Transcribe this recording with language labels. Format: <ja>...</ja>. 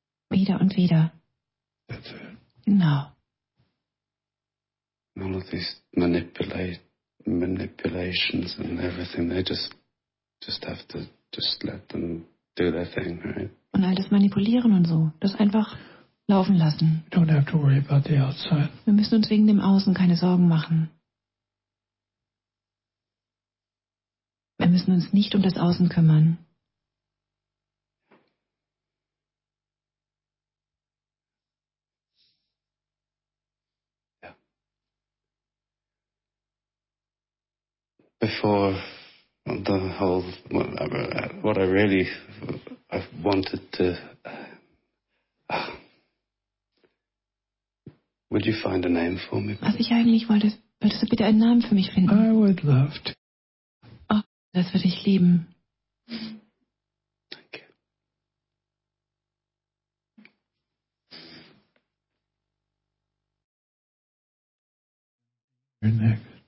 <de>Wieder und wieder.</de> <en>That's it. No. All of these manipulations and everything, they just have to just let them do their thing, right?</en> <de>Und all das Manipulieren und so, das einfach laufen lassen.</de> <en>We don't have to worry about the outside.</en> <de>Wir müssen uns wegen dem Außen keine Sorgen machen. Wir müssen uns nicht um das Außen kümmern.</de> <en>Before the whole, what I really, I wanted to, would you find a name for me?</en> <de>Was ich eigentlich wollte, würdest du bitte einen Namen für mich finden?</de> <en>I would love to.</en> <de>Oh, das würde ich lieben.</de> <en>Thank you. You're next.</en>